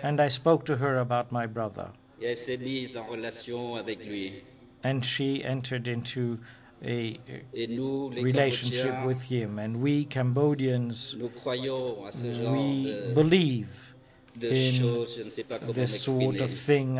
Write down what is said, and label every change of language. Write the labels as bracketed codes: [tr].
[en] and I spoke to her about my brother. [fr] Et elle s'est mise en relation avec lui. [en] And she entered into a relationship with him. And we Cambodians, we believe in this sort of thing.